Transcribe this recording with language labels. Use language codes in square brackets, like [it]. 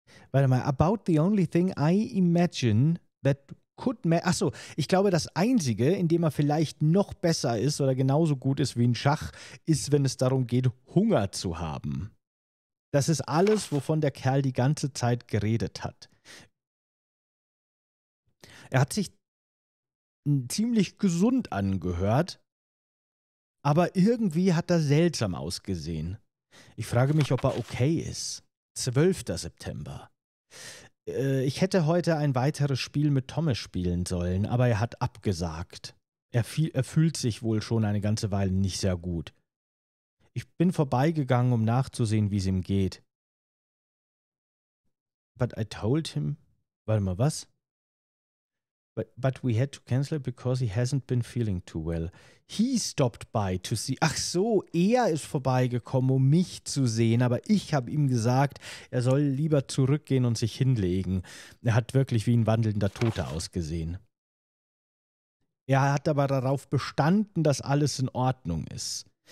[de] Warte mal, [en] about the only thing I imagine that could... [de] Achso, ich glaube, das Einzige, in dem er vielleicht noch besser ist oder genauso gut ist wie in Schach, ist, wenn es darum geht, Hunger zu haben. Das ist alles, wovon der Kerl die ganze Zeit geredet hat. Er hat sich ziemlich gesund angehört, aber irgendwie hat er seltsam ausgesehen. Ich frage mich, ob er okay ist. 12. September. Ich hätte heute ein weiteres Spiel mit Thomas spielen sollen, aber er hat abgesagt. Er fühlt sich wohl schon eine ganze Weile nicht sehr gut. Ich bin vorbeigegangen, um nachzusehen, wie es ihm geht. [en] But I told him... [de] Warte mal, was? [en] But we had to cancel it because he hasn't been feeling too well. He stopped by to see... [de] Ach so, er ist vorbeigekommen, um mich zu sehen, aber ich habe ihm gesagt, er soll lieber zurückgehen und sich hinlegen. Er hat wirklich wie ein wandelnder Toter ausgesehen. Er hat aber darauf bestanden, dass alles in Ordnung ist.